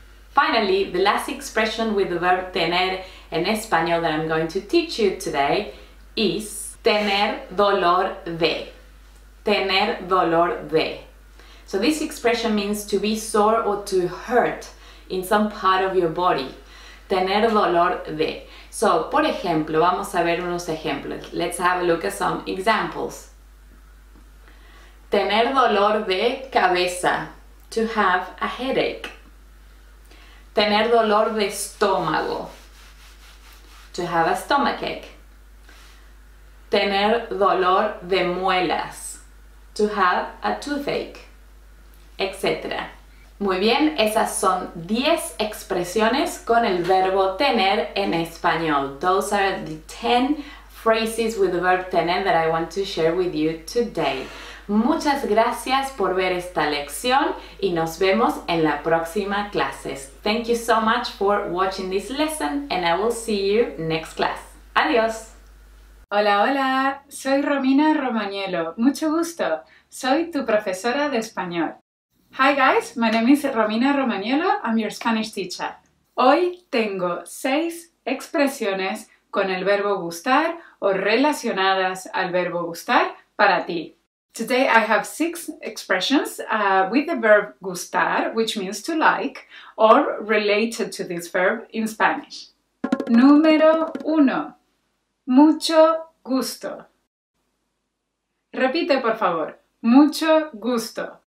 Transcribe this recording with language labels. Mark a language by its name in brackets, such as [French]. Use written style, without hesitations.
[English] Finally, the last expression with the verb tener in español that I'm going to teach you today is tener dolor de. [Spanish] Tener dolor de. [English] So this expression means to be sore or to hurt in some part of your body. [Spanish] Tener dolor de. So, por ejemplo, vamos a ver unos ejemplos. [English] Let's have a look at some examples. [Spanish] Tener dolor de cabeza. [English] To have a headache. [Spanish] Tener dolor de estómago. [English] To have a stomachache. [Spanish] Tener dolor de muelas. [English] To have a toothache. Etc. [Spanish] Muy bien, esas son 10 expresiones con el verbo tener en español. [English] Those are the 10 phrases with the verb tener that I want to share with you today. [Spanish] Muchas gracias por ver esta lección y nos vemos en la próxima clase. [English] Thank you so much for watching this lesson and I will see you next class. [Spanish] Adiós. Hola, hola. Soy Romina Romagnello. Mucho gusto. Soy tu profesora de español. [English] Hi guys, my name is Romina Romagnello, I'm your Spanish teacher. [Spanish] Hoy tengo 6 expresiones con el verbo gustar o relacionadas al verbo gustar para ti. [English] Today I have 6 expressions with the verb gustar, which means to like, or related to this verb in Spanish. [Spanish] Número 1. Mucho gusto. Repite, por favor. Mucho gusto.